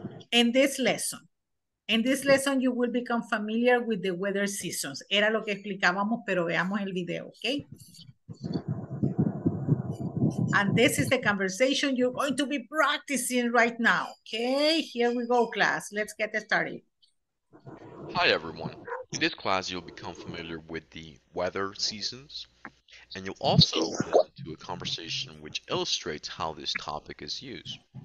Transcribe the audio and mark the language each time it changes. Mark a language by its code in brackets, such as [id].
[en] In this lesson, you will become familiar with the weather seasons. [es] Era lo que explicábamos, pero veamos el video, okay? [en] And this is the conversation you're going to be practicing right now, okay? Here we go, class. Let's get started. Hi, everyone. In this class, you'll become familiar with the weather seasons, and you'll also listen to a conversation which illustrates how this topic is used.